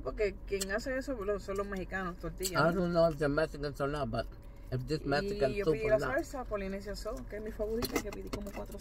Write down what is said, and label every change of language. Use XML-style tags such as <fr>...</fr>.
<es>Porque quien hace eso son los mexicanos, tortillas.</es> <en>I don't know if they're Mexicans or not, but if this Mexican soup or not.</en> <es>Y yo pedí la salsa polinesia soup, que es mi favorita, que pedí como 4 o</es>